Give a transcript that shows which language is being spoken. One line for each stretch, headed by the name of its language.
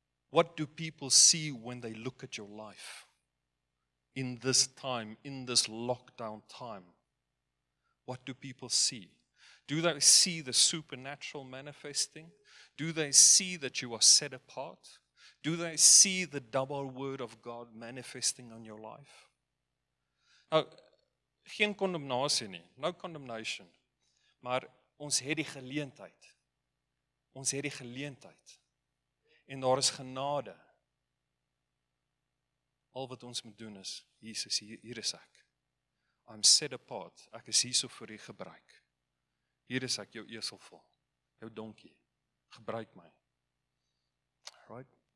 English: What do people see when they look at your life? In this time, in this lockdown time, what do people see? Do they see the supernatural manifesting? Do they see that you are set apart? Do they see the double word of God manifesting on your life?
Afrikaans: Nou, geen condemnasie nie,
English: no condemnation,
Afrikaans: maar ons het die geleentheid. Ons het die geleentheid. En daar is genade. Al wat ons moet doen is, Jesus, hier is ek.
English: I'm set apart,
Afrikaans: ek is hier so vir die gebruik. Hier is ek, jou eselvol, jou donkie, gebruik my. Right?